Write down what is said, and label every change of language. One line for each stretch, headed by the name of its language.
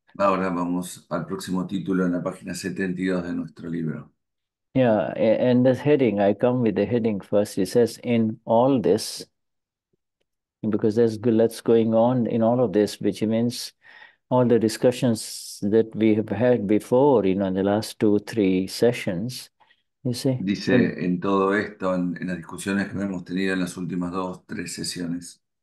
Spanish: Ahora vamos al próximo título en la página 72 de nuestro libro.
English: And the heading, I come with the heading first. It says, in all this, because there's lots going on in all of this, which means all the discussions that we have had before, you know, in the last two, three sessions, you see.
Spanish: Dice en todo esto, en las discusiones que hemos tenido en las últimas dos, tres sesiones.